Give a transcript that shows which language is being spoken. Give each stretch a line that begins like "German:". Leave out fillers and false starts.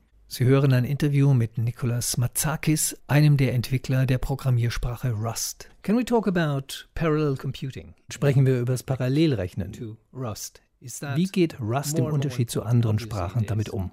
German: Sie hören ein Interview mit Nicholas Matsakis, einem der Entwickler der Programmiersprache Rust.
English: Can we talk about parallel computing?
German: Sprechen wir über das Parallelrechnen. Wie geht Rust im Unterschied zu anderen Sprachen damit um?